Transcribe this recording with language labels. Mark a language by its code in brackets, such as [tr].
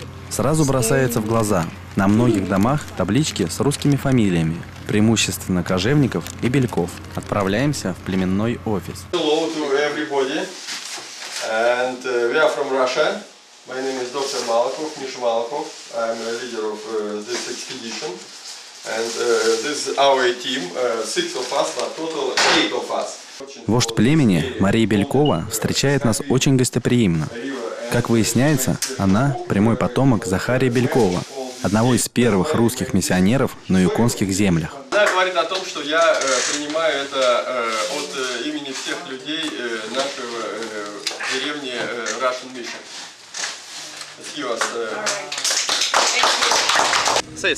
[ru] Сразу бросается в глаза. На многих домах таблички с русскими фамилиями, преимущественно Кожевников и Бельков. Отправляемся в племенной офис. [en] Hello to everybody. And we are from Russia. My name is Dr. Malakov, Misha Malakov. I'm a leader of this expedition. And this is our team, six of us, but total eight of us. [ru] Вождь племени Мария Белькова встречает нас очень гостеприимно. Как выясняется, она – прямой потомок Захария Белькова, одного из первых русских миссионеров на Юконских землях. Она говорит о том, что я принимаю это от имени всех людей нашего деревни Russian Mission.